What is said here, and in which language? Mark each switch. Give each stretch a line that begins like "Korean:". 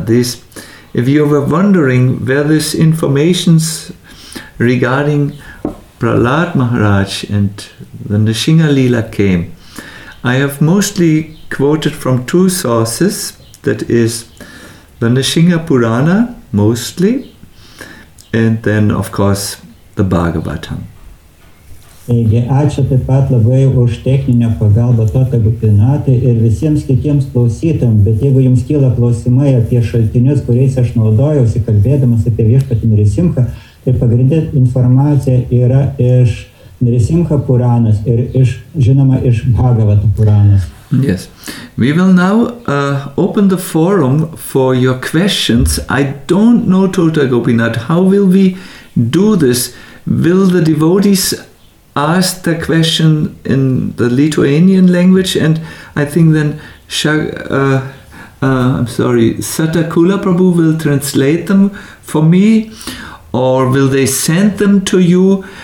English: This, if you were wondering where this information regarding Prahlad Maharaj and the Nrisimha Leela came, I have mostly quoted from two sources, that is the Nrisimha Purana mostly, and then of course the Bhagavatam.
Lithuanian: Taigi, ačiū taip pat labai už techninę pagalbą Tota Gopinatui ir visiems kitiems klausytams, bet jeigu jums kyla klausimai apie šaltinius, kuriais aš naudojausi kalbėdamas apie viešpatį Nrisimhą, tai pagrindė informacija yra iš Nrisimha Puranas ir iš, žinoma, iš Bhagavata Puranas.
English: Yes. We will now open the forum for your questions. I don't know, Tota Gopinath, how will we do this? Will the devotees ask the question in the Lithuanian language, and I think then Satakula Prabhu will translate them for me, or will they send them to you?